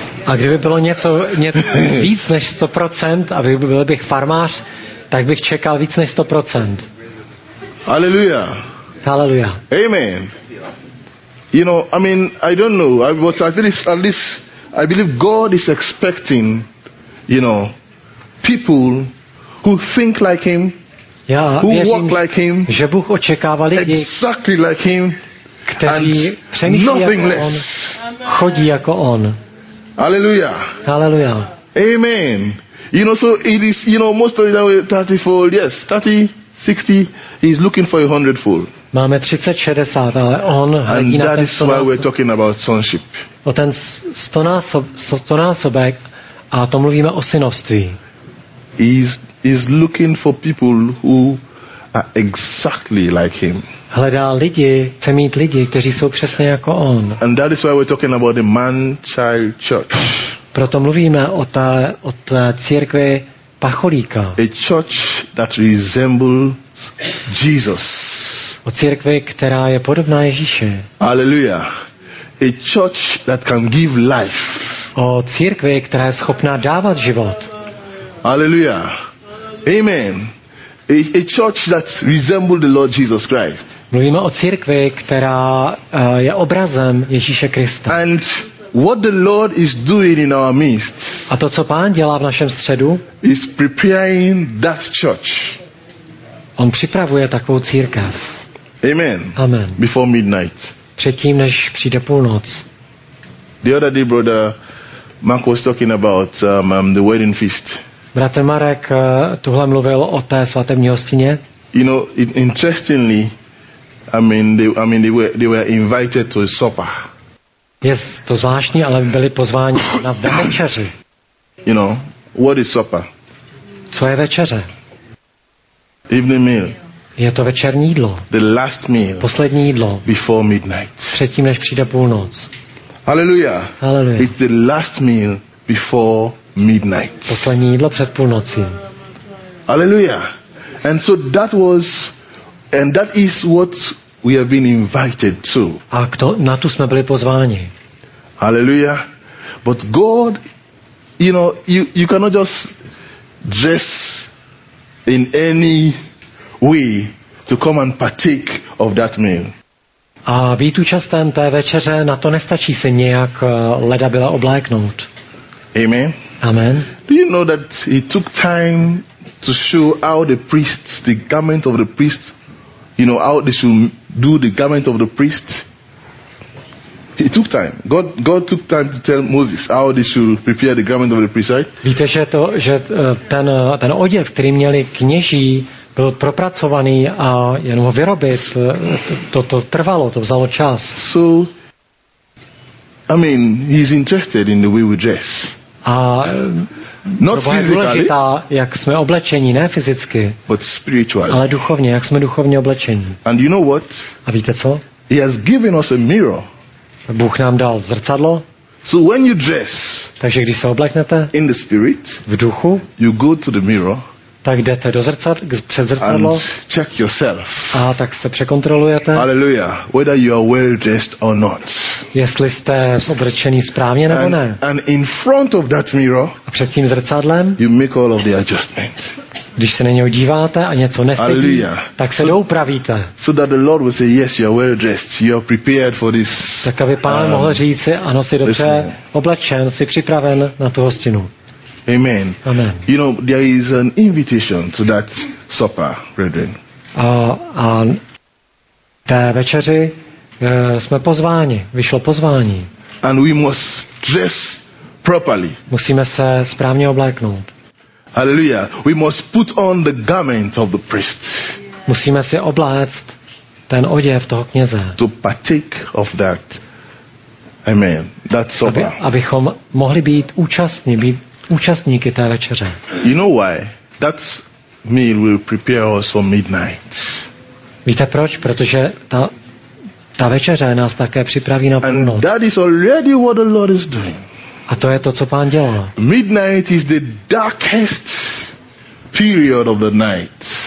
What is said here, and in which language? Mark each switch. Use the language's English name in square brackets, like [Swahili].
[Czech] A kdyby bylo něco víc než 100%, aby byl bych farmář, tak bych čekal víc než 100%. [English] Hallelujah. Hallelujah. Amen. You know, I mean, I don't know, but at least I believe God is expecting, you know, people who think like him, walk like him, [Czech] že Bůh očekává lidi, [English] exactly like him, [Czech] kteří přemýšlí [English] nothing [Czech] jako [English] less. [Czech] On, chodí jako on. [English] Hallelujah. Hallelujah. Amen. You know, so it is, you know, most of it are 30-fold, yes, 30, 60, he's looking for 100-fold. [Czech] Máme 30, 60, ale on hledí na ten stonásobek. [English] And that is why we're talking about sonship. [Czech] O ten stonásobek a to mluvíme o synovství. [English] He's looking for people who are exactly like him. [Czech] Hledá lidi, chce mít lidi, kteří jsou přesně jako on. [English] And that is why we're talking about the man-child church. [Czech] Proto mluvíme o té církvi pacholíka. [English] A church that resembles Jesus. [Czech] O církvi, která je podobná Ježíši. [English] Hallelujah. A church that can give life. [Czech] O církvi, která je schopná dávat život. [English] Hallelujah. Amen. A church that resembles the Lord Jesus Christ. [Czech] Mluvíme o církvi, která je obrazem Ježíše Krista. [English] And what the Lord is doing in our midst. [Czech] A to, co Pán dělá v našem středu, [English] is preparing that church. [Czech] On připravuje takovou církev. [English] Amen. Amen. Before midnight. [Czech] Předtím, než přijde půlnoc. [English] The other day, brother Mark was talking about the wedding feast. [Czech] Bratr Marek tuhle mluvil o té svatební hostině. [English] You know, interestingly, they were invited to a supper. [Czech] Je to zvláštní, ale byli pozváni na večeři. [English] You know, what is supper? [Czech] Co je večeře? [English] Evening meal. [Czech] Je to večerní jídlo. [English] The last meal. [Czech] Poslední jídlo. [English] Before midnight. [Czech] Předtím, než přijde půlnoc. [English] Hallelujah. Hallelujah. It's the last meal before midnight. [Czech] Poslední jídlo před půlnocí. [English] Hallelujah. And so that was, and that is what we have been invited to. [Czech] A na to jsme byli pozváni. [English] Hallelujah. But God, you know, you cannot just dress in any way to come and partake of that meal. [Czech] A být účastem té večeře, na to nestačí se nějak leda byla obléknout. [English] Amen. Amen. Do you know that he took time to show how the priests, the garment of the priests, you know, how they should do the garment of the priest. He took time. God took time to tell Moses how they should prepare the garment of the priest, right? [Czech] Víte, že ten oděv, který měli kněží, byl propracovaný a jen ho vyrobit, to trvalo, to vzalo čas. [English] So, I mean, he's interested in the way we dress. [Czech] A [English] not physically, [Czech] jak jsme oblečení, ne fyzicky, [English] but spiritually. [Czech] Ale duchovně, jak jsme duchovně oblečení. [English] And you know what? [Czech] A víte co? [English] He has given us a mirror. [Czech] Bůh nám dal zrcadlo. [English] So when you dress, [Czech] takže když se obleknete, [English] in the spirit, [Czech] v duchu, [English] you go to the mirror, [Czech] tak jdete do před zrcadlo, [English] and check yourself. [Czech] A tak se překontrolujete. [English] Hallelujah. Whether you are well dressed or not. [Czech] Jestli jste oblečení správně nebo ne. [English] And in front of that mirror, [Czech] a před tím zrcadlem, [English] you make all of the adjustments. [Czech] Když se na něho díváte a něco nestydí, tak se doupravíte. [English] So that the Lord will say, yes, you are well dressed, you are prepared for this. [Czech] Tak aby Pán mohl říci, ano, jsi dobře oblečen, jsi připraven na tu hostinu. [English] Amen. Amen. You know, there is an invitation to that supper, brethren. [Czech] A té večeři jsme pozváni, vyšlo pozvání. [English] And we must dress properly. [Czech] Musíme se správně obléknout. [English] Hallelujah. We must put on the garment of the priest. [Czech] Musíme si obléct ten oděv toho kněze. [English] To partake of that. Amen. That supper. [Czech] Abychom mohli být účastní, být účastníky té večeře. [English] You know why? That meal will prepare us for midnight. [Czech] Víte proč? Protože ta večeře nás také připraví na půlnoc. [English] And that is already what the Lord is doing. [Czech] A to je to, co Pán dělá. [English] Midnight is the darkest period of the night.